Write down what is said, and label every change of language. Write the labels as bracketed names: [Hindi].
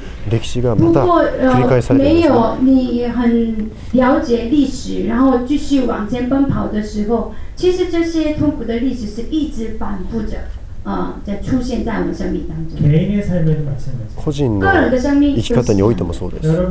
[Japanese] 歴史がまた繰り返されるんですか。 [Chinese] 没有你很了解历史然后继续往前奔跑的时候其实这些痛苦的历史是一直反复着在出现在我们生命当中。个人的生命 [Japanese] 生き方においてもそうです。